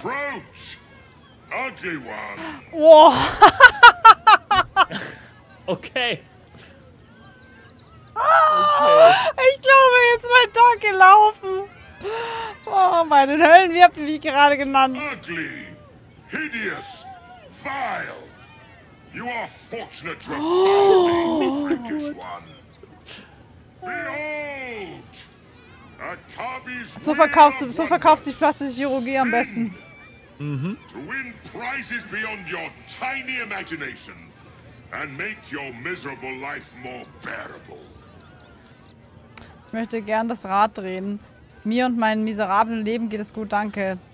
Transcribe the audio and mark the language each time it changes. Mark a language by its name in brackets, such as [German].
[English] Ugly one. Wow. Okay. [German] Okay. Ich glaube, jetzt mein Tag gelaufen. Oh, meine Höllen, wie habt ihr mich gerade genannt? [English] Ugly, hideous, vile. You are fortunate to have found me, freakish one. Behold, Akabi's [German] so verkaufst du, so verkauft sich plastische Chirurgie am besten. Mhm. [English] To win prizes beyond your tiny imagination and make your miserable life more bearable. [German] Ich möchte gern das Rad drehen. Mir und meinem miserablen Leben geht es gut, danke.